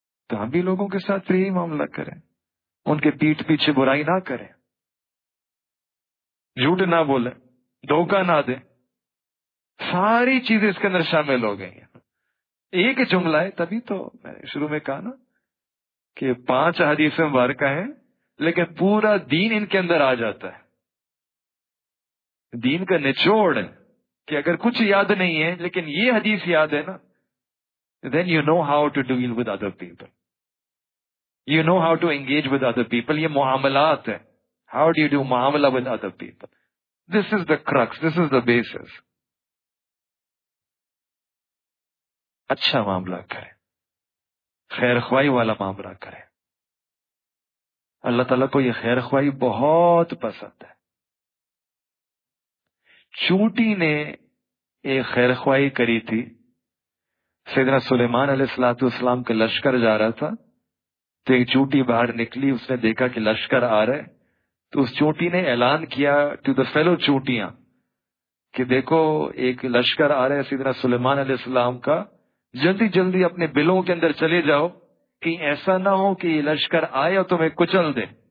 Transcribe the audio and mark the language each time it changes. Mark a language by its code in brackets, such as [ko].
[ur] تو ہم بھی لوگوں کے ساتھ یہی معاملہ کریں، ان کے پیٹھ پیچھے برائی نہ کریں، جھوٹ نہ بولیں، دھوکہ نہ دیں، ساری چیزیں اس کے اندر شامل ہو گئی ہیں. ایک جملہ ہے، تبھی تو میں نے شروع میں کہا نا کہ پانچ حدیث مبارکہ ہیں لیکن پورا دین ان کے اندر آ جاتا ہے. دین کا نچوڑ کہ اگر کچھ یاد نہیں ہے لیکن یہ حدیث یاد ہے نا، [en] then you know how to deal with other people, [ur] you know how to engage with other people. یہ معاملات ہیں. [en] How do you do معاملہ with other people? This is the crux, this is the basis. [ur] اچھا معاملہ کریں، خیر خواہی والا معاملہ کریں. اللہ تعالیٰ کو یہ خیر خواہی بہت پسند ہے. چونٹی نے ایک خیر خواہی کری تھی، سیدنا سلیمان علیہ الصلوۃ والسلام کے لشکر جا رہا تھا تو ایک چونٹی باہر نکلی، اس نے دیکھا کہ لشکر آ رہے تو اس چونٹی نے اعلان کیا ٹو دا فیلو چونٹیاں کہ دیکھو ایک لشکر آ رہا ہے سیدنا سلیمان علیہ السلام کا، جلدی جلدی اپنے بلوں کے اندر چلے جاؤ کہ ایسا نہ ہو کہ یہ لشکر آئے اور تمہیں کچل دے.